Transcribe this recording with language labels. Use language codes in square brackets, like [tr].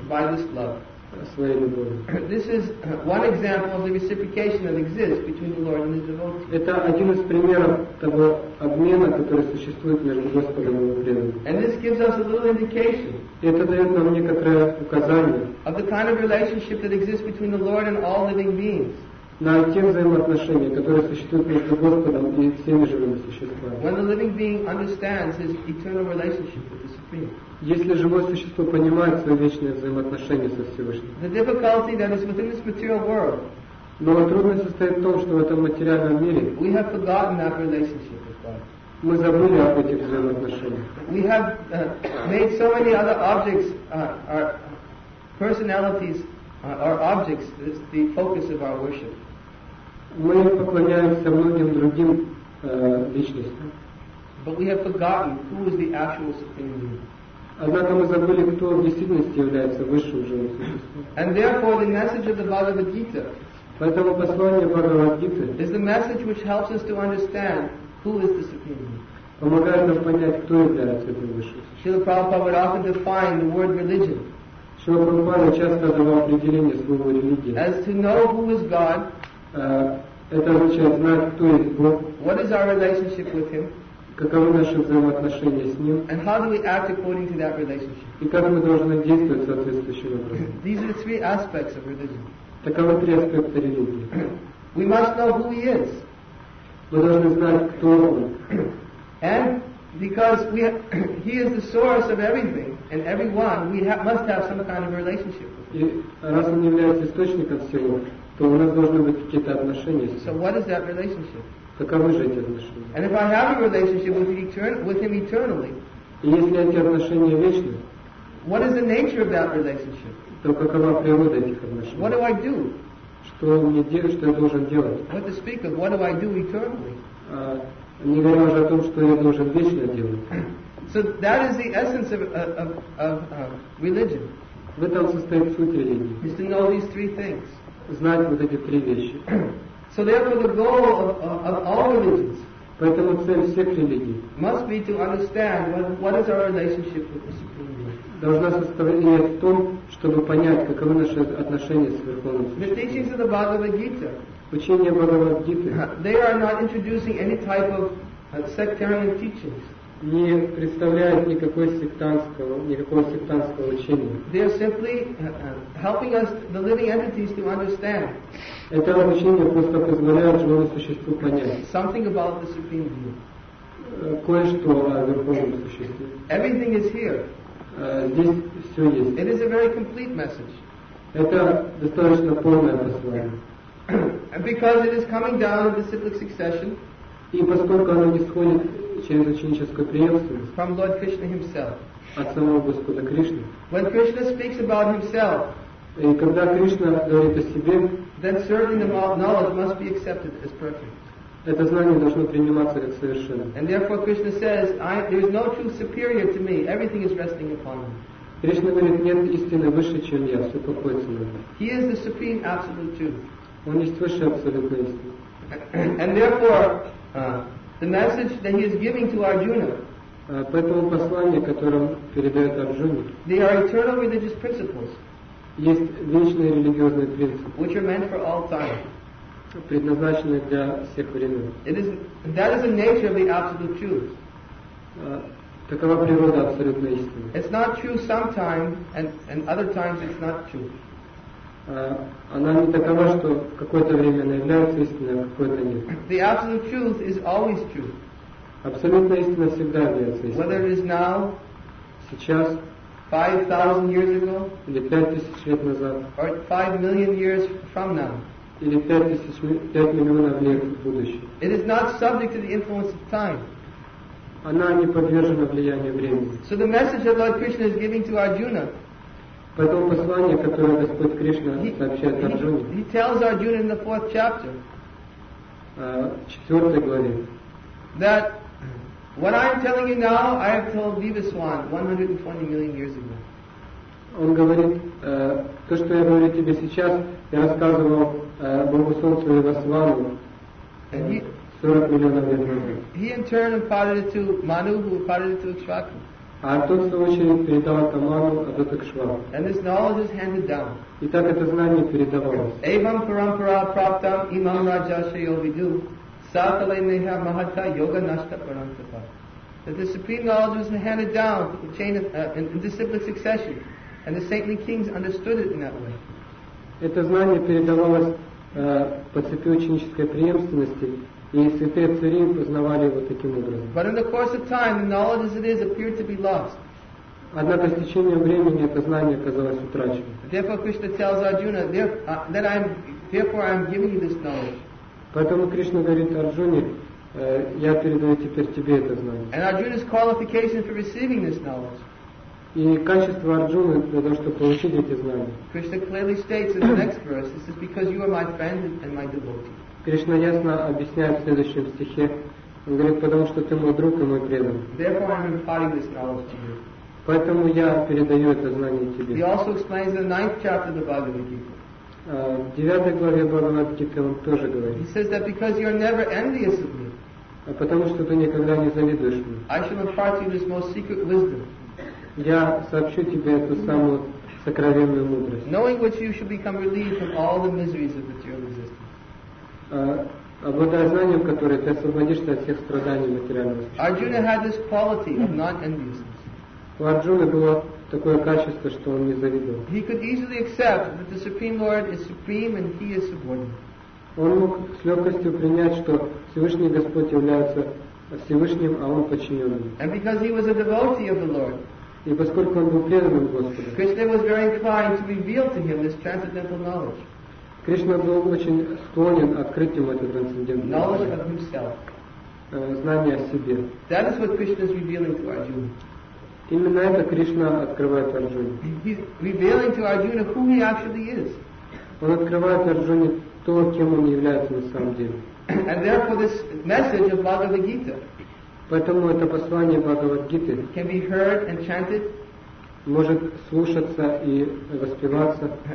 [en] By this love. [ru] Своей любовью. [en] This is one example of the reciprocation that exists between the Lord and his devotee. [ru] Это один из примеров того обмена, который существует между Господом и его преданным. [en] And this gives us a little indication. [ru] Это дает нам некоторое указание. [en] Of the kind of relationship that exists between the Lord and all living beings. [ru] На те взаимоотношения, которые существуют между Господом и всеми живыми существами. [en] When the living being understands his eternal relationship with the Supreme. [ru] Если живое существо понимает свои вечные взаимоотношения со Всевышним. [en] The difficulty that is within this material world. [ru] Но трудность состоит в том, что в этом материальном мире. [en] We have forgotten that relationship with God. [ru] Мы забыли об этих взаимоотношениях. [en] We have made so many other objects, our personalities. Our objects is the focus of our worship. [ru] Мы поклоняемся многим другим личностям. [en] But we have forgotten who is the actual supreme being. [ru] Однако мы забыли, кто в действительности является высшим живым существом. [en] And therefore the message of the Bhagavad Gita. [ru] Поэтому послание Бхагавад Гиты. [en] Is the message which helps us to understand who is the supreme being. [ru] Помогает нам понять, кто является этим высшим существом. [en] Srila Prabhupada would often define the word religion. [ru] Шрила Прабхупада часто давал определение слова религии. [en] As to know who is God, [ru] это означает знать, кто есть Бог. [en] What is our relationship with him? [ru] Каковы наши взаимоотношения с ним? [en] And how do we act according to that relationship? [ru] И как мы должны действовать соответствующим образом? [en] These are three aspects of religion. [ru] Таковы три аспекта религии. [en] We must know who he is. [ru] Мы должны знать, кто он. [en] And because he is the source of everything. And everyone, we must have some kind of relationship with him. So what is that relationship? [ru] Каковы же эти отношения? [en] And if I have a relationship with him eternally, [ru] и если эти отношения вечны, [en] what is the nature of that relationship? [ru] То какова природа этих отношений? [en] What do I do? [ru] Что мне делать, что я должен делать? [en] What to speak of, what do I do eternally? [ru] Не говоря уже о том, что я должен вечно делать. [en] So that is the essence of religion. [ru] В этом состоит суть религии. [en] Is to know these three things. [ru] Знать вот эти три вещи. [en] So therefore the goal of all religions. [ru] Поэтому цель всех религий. [en] Must be to understand what is our relationship with the Supreme Being. [ru] должна состоять в том, чтобы понять, каковы наши отношения с Верховным Существом. [en] The teachings of the Bhagavad Gita. [ru] Учения Бхагавад Гиты. [en] They are not introducing any type of sectarian teachings. [ru] Не представляют никакого сектантского учения. [en] They are simply helping us, the living entities, to understand. [ru] Это учение просто позволяет живому существу понять. [en] Something about the Supreme Being. [ru] Кое-что о Верховном Существе. [en] Everything is here. [ru] Здесь все есть. [en] It is a very complete message. [ru] Это достаточно полное послание. [en] And because it is coming down in the cyclic succession. [ru] И поскольку оно нисходит через ученическую преемственность. [en] From Lord Krishna himself. [ru] От самого Господа Кришны. [en] When Krishna speaks about himself. [ru] И когда Кришна говорит о себе. [en] Then certainly the knowledge must be accepted as perfect. [ru] Это знание должно приниматься как совершенное. [en] And therefore Krishna says, there is no truth superior to me. Everything is resting upon me. [ru] Кришна говорит, нет истины выше, чем я. Все покоится на мне. [en] He is the supreme absolute truth. [ru] Он есть высшая абсолютная истина. [en] And therefore, the message that he is giving to Arjuna. [ru] Поэтому послание, которое передает Арджуне. [en] They are eternal religious principles. [ru] Есть вечные религиозные принципы. [en] Which are meant for all time. [ru] Предназначены для всех времен. [en] That is the nature of the absolute truth. [ru] Такова природа абсолютной истины. [en] It's not true sometime, and other times it's not true. [ru] Она не такова, что какое-то время она является истиной, а какое-то нет. [en] The absolute truth is always true. [ru] Абсолютная истина всегда является истиной. [en] Whether it is now, [ru] сейчас, [en] 5,000 years ago, [ru] или 5,000 лет назад, [en] or 5,000,000 years from now, [ru] или 5 миллионов лет в будущем. [en] It is not subject to the influence of time. [ru] Она не подвержена влиянию времени. [en] So the message that Lord Krishna is giving to Arjuna. [ru] Поэтому послание, которое Господь Кришна сообщает Арджуне. [en] He tells Arjuna in the fourth chapter. [ru] В четвертой главе. [en] That what I am telling you now, I have told Vivaswan 120,000,000 years ago. [ru] Он говорит, то, что я говорю тебе сейчас, я рассказывал Богу Солнцу и Васвану 40 миллионов лет назад. [en] He in turn imparted it to Manu, who imparted it to Ikshvaku. [ru] А тот, в свою очередь, передал это Ману, а тот Ikshvaku. [en] And this knowledge is handed down. [ru] И так это знание передавалось. [sa] Evam parampara praptam imam rajasya yovidu satale neha mahata yoga nashta parantapa. [en] That the supreme knowledge was handed down in chain of, in disciplic succession. And the saintly kings understood it in that way. [ru] Это знание передавалось по цепи ученической преемственности, и святые цари познавали его таким образом. [en] But in the course of time, the knowledge as it is appeared to be lost. [ru] Однако с течением времени это знание оказалось утрачено. [en] Therefore Krishna tells Arjuna, I am giving you this knowledge. [ru] Поэтому Кришна говорит Арджуне, я передаю теперь тебе это знание. [en] And Arjuna's qualification for receiving this knowledge. [ru] И качество Арджуны для того, чтобы получить эти знания. [en] Krishna clearly states in the next verse, this is because you are my friend and my devotee. [ru] Кришна ясно объясняет в следующем стихе. Он говорит, потому что ты мой друг и мой преданный. [en] Therefore I am imparting this knowledge to you. [ru] Поэтому я передаю это знание тебе. [en] He also explains in the ninth chapter of the Bhagavad Gita. [ru] В девятой главе Бхагавад Гиты он тоже говорит. [en] He says that because you are never envious of me. [ru] А потому что ты никогда не завидуешь мне. [en] I shall impart you this most secret wisdom. [ru] Я сообщу тебе эту самую сокровенную мудрость. [en] Knowing which you should become relieved from all the miseries of material existence. [ru] Обладая знанием, которое ты освободишься от всех страданий материального существа. [en] Arjuna had this quality of non-enviousness. [ru] У Арджуны было такое качество, что он не завидовал. [en] He could easily accept that the Supreme Lord is supreme and he is subordinate. [ru] Он мог с легкостью принять, что Всевышний Господь является Всевышним, а он подчиненным. [en] And because he was a devotee of the Lord. [ru] И поскольку он был преданным Господу, [en] Krishna was very inclined to reveal to him this transcendental knowledge. [ru] Кришна был очень склонен открыть ему это трансцендентное [en] knowledge of himself. [ru] Знание о себе. [en] That is what Krishna is revealing to Arjuna. [ru] Именно это Кришна открывает Арджуне. [en] He's revealing to Arjuna who he actually is. [ru] Он открывает Арджуне то, кем он является на самом деле. [en] And therefore this message of Bhagavad Gita. [ru] Поэтому это послание Бхагавад Гиты [en] can be heard and chanted, [ru] может слушаться и воспеваться,